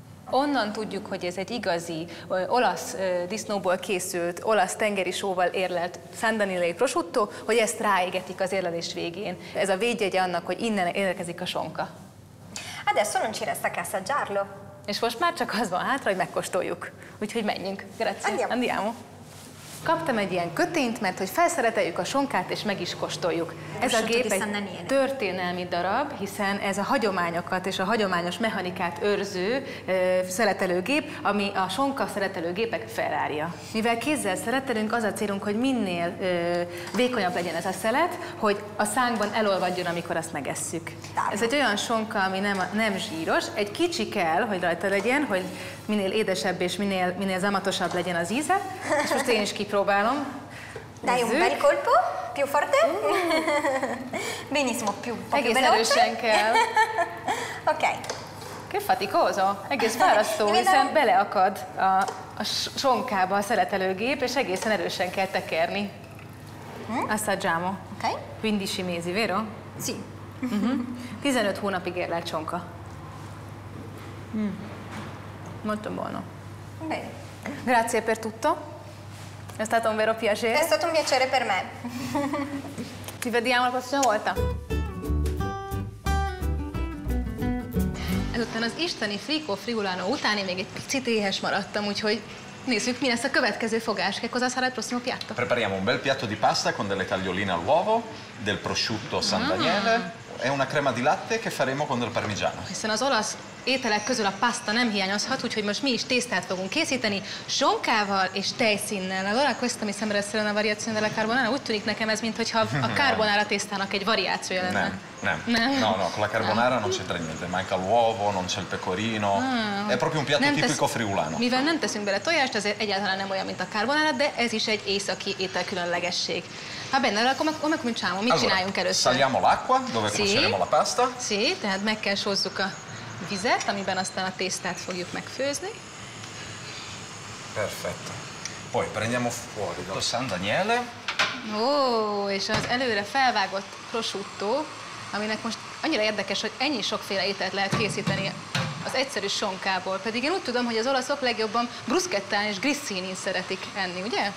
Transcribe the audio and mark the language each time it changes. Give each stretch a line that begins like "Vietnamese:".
Hungarian: Onnan tudjuk, hogy ez egy igazi olasz disznóból készült, olasz tengeri sóval érlelt San Daniele prosciutto, hogy ezt ráégetik az érlelés végén. Ez a védjegye annak, hogy innen érkezik a sonka.
Italian: Adesso non ci resta che assaggiarlo.
Hungarian: És most már csak az van hátra, hogy megkóstoljuk. Úgyhogy menjünk. Grazie.
Italian: Andiamo. Andiamo.
Hungarian: Kaptam egy ilyen kötényt, mert hogy felszereteljük a sonkát, és meg is kóstoljuk. Ez a gép egy történelmi darab, hiszen ez a hagyományokat és a hagyományos mechanikát őrző szeletelőgép, ami a sonka szeletelőgépek Ferrari-ja. Mivel kézzel szeretelünk, az a célunk, hogy minél vékonyabb legyen ez a szelet, hogy a szánkban elolvadjon, amikor azt megesszük. Ez egy olyan sonka, ami nem zsíros, egy kicsi kell, hogy rajta legyen, hogy minél édesebb és minél zamatosabb legyen az íze, és most én is kipróbálom.
Italian: Dai un bel colpo, più forte. Benissimo, più veloce.
Hungarian: Egész erősen kell. Ok.
Italian: Che faticoso,
Hungarian: egész fárasztó, hiszen beleakad a sonkába a szeletelőgép, és egészen erősen kell tekerni.
Italian: Assaggiamo. Ok. Quindici mesi, vero? Sì.
Hungarian: 15 hónapig érlelt csonka.
Italian: Molto buono. Bene. Grazie per tutto. È stato un vero piacere. È stato un piacere per me. Ci vediamo la prossima volta.
Hungarian: Ezután az isteni Frico Friulano utáni még egy picit éhes maradtam, úgyhogy nézzük, mi lesz a következő fogás.
Italian: Che cosa sarà il prossimo piatto? Prepariamo un bel piatto di pasta con delle taglioline all'uovo, del prosciutto San Daniele. È una crema di latte che faremo con del parmigiano.
Hungarian: Hiszen az olasz ételek közül a pasta nem hiányozhat, úgyhogy most mi is tésztát fogunk készíteni sonkával és tejszínnel.
Italian: Allora questa mi sembra essere una variazione della carbonara.
Hungarian: Úgy tűnik nekem ez, mintha a carbonara tésztának egy variációja lenne. Nem, nem.
Italian: No, no, con la carbonara non c'entra niente. Manca l'uovo, non c'è il pecorino. È proprio un piatto tipico friulano.
Hungarian: Mivel nem teszünk bele tojást, ezért egyáltalán nem olyan, mint a carbonara, de ez is egy északi étel különlegesség.
Italian: Va bene, allora come cominciamo?
Hungarian: Mi csináljunk először?
Italian: Saliamo l'acqua, dove cuoceremo la pasta.
Hungarian: Sì, tehát meg kell sózzuk a vizet, amiben aztán a tésztát fogjuk megfőzni.
Italian: Perfetto. Poi prendiamo fuori lo San Daniele.
Hungarian: És az előre felvágott prosciutto, aminek most annyira érdekes, hogy ennyi sokféle ételt lehet készíteni az egyszerű sonkából. Pedig én úgy tudom, hogy az olaszok legjobban bruschettán és grissinin szeretik enni, ugye?